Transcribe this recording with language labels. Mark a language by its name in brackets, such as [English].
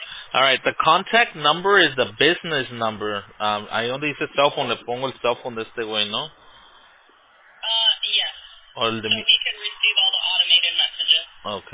[English] All right, the contact number is the business number. [Spanish] Ahí donde dice cell phone, le pongo el cell phone de este güey, ¿no? Yes. [English] Or so he can receive all the automated messages.